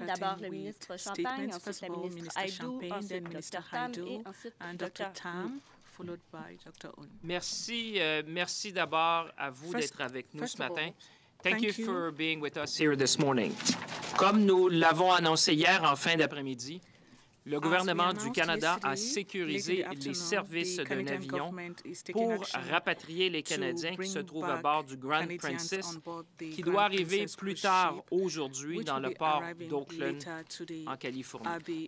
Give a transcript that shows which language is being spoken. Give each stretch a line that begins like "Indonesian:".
French: D'abord, le ministre Champagne, ensuite la ministre Hajdu, ensuite Dr. Tam, et ensuite Dr. Tam.
English: Followed by Dr. Un.
French: Merci, merci d'abord à vous d'être avec nous ce matin.
English: Thank you for being with us here this morning.
French: Comme nous l'avons annoncé hier en fin d'après-midi, le gouvernement du Canada a sécurisé les services d'un avion pour rapatrier les Canadiens qui se trouvent à bord du Grand Princess, qui doit arriver plus tard aujourd'hui dans le port d'Oakland en Californie.